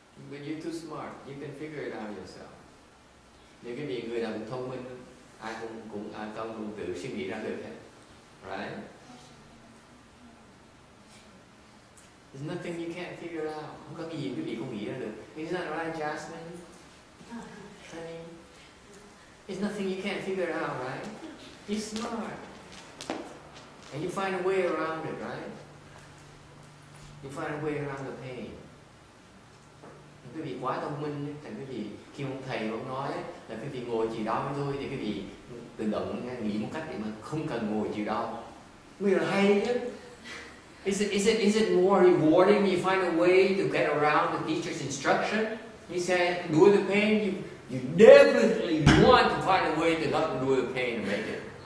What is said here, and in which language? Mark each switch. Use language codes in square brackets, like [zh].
[en] But you're too smart, you can figure it out yourself. [vi] Nếu cái gì người nào thông minh ai cũng an tâm cũng tự suy nghĩ ra được hết, right? [en] There's nothing you can't figure out. [vi] Không có cái gì quý vị không nghĩ ra được. [en] Isn't that right, Jasmine? Honey, there's nothing you can't figure out, right? You're smart, and you find a way around it, right? You find a way around the pain. [vi] Quý vị quá thông minh thành cái gì khi ông thầy ông nói là cái gì ngồi chịu đau thôi thì cái gì tự động nghĩ một cách để mà không cần ngồi chịu đau mới là hay chứ. [en] Is it more rewarding you find a way to get around the teacher's instruction? He said, "Do the pain, you definitely want to find a way to not do the pain and make it."